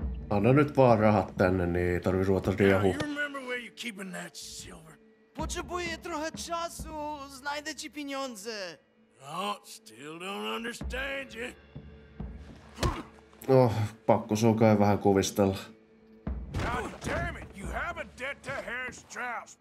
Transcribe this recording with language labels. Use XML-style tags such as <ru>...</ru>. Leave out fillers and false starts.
<fi>Anna nyt vaan rahat tänne, niin ei tarvi ruveta riehua.</fi> <en>You remember where you're keeping that silver?</en> <pl>Potrzebuję trochę czasu, znajdę ci pieniądze.</pl> <en>Oh, still don't understand you.</en> <fi>Oh, pakko se on kai vähän kovistella.</fi> <en>God damn it, you have a debt to Herr Strauss.</en>